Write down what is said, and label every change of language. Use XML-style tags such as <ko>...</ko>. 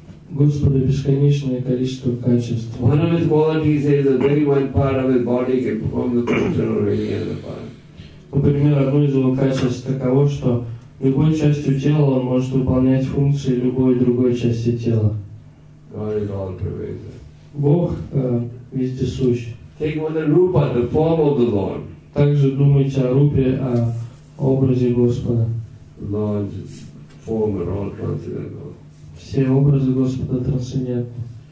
<ru>Господа бесконечное количество качеств.</ru> <en>One of his qualities is that very one part of his body can perform the function of any other part.</en> <ru>Например, одно из его качеств таково, что любой частью тела он может выполнять функции любой другой части тела.</ru> <en>God is all pervasive.</en> <ru>Бог вездесущ.</ru> <en>Take on the rupa, the form of the Lord.</en> <ru>Также думайте о рупе, о образе Господа.</ru> <en>Lord's form are all transcendental.</en> <ru>Все образы Господа трансцендентны.</ru>